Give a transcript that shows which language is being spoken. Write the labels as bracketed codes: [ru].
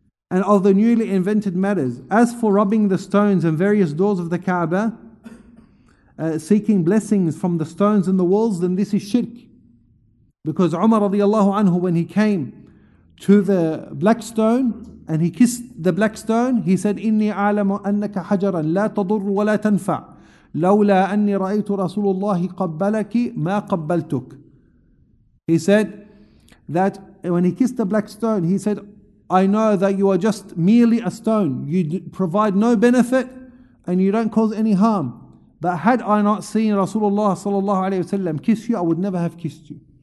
[en] And of the newly invented matters, as for rubbing the stones and various doors of the Kaaba, seeking blessings from the stones and the walls, then this is shirk. Because Umar radiallahu anhu, when he came to the black stone, And he kissed the black stone. He said, [ar] إني أعلم أنك حجرا لا تضر ولا تنفع لولا أني رأيت رسول الله قبلك ما قبلتك. [en] He said that when he kissed the black stone, he said, I know that you are just merely a stone. You provide no benefit and you don't cause any harm. But had I not seen Rasulullah sallallahu alayhi wa sallam kiss you, I would never have kissed you.